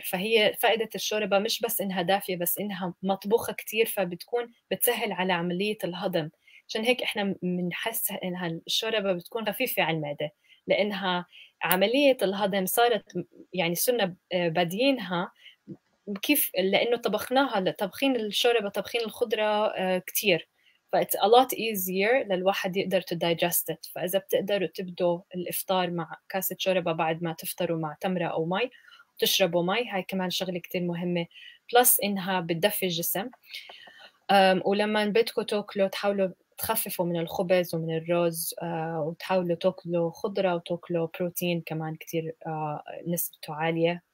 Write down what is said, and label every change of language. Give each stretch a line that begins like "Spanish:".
Arabic: فهي فائدة الشوربة مش بس إنها دافية، بس إنها مطبوخة كتير، فبتكون بتسهل على عملية الهضم. عشان هيك إحنا منحس إنها الشوربة بتكون خفيفة على المعدة، لأنها عملية الهضم صارت يعني صرنا بدينها كيف، لأنه طبخناها، طبخين الشوربة، طبخين الخضرة كتير.
English: But it's a lot easier
Arabic: للواحد يقدر
English: to digest it.
Arabic: فإذا بتقدروا تبدوا الإفطار مع كاسة شوربة بعد ما تفطروا مع تمرة أو مي، تشربوا مي، هاي كمان شغلة كتير مهمة، بلس إنها بتدفي الجسم. ولما بدكم تاكلوا تحاولوا تخففوا من الخبز ومن الرز، وتحاولوا تاكلوا خضرة وتاكلوا بروتين كمان كتير نسبته عالية.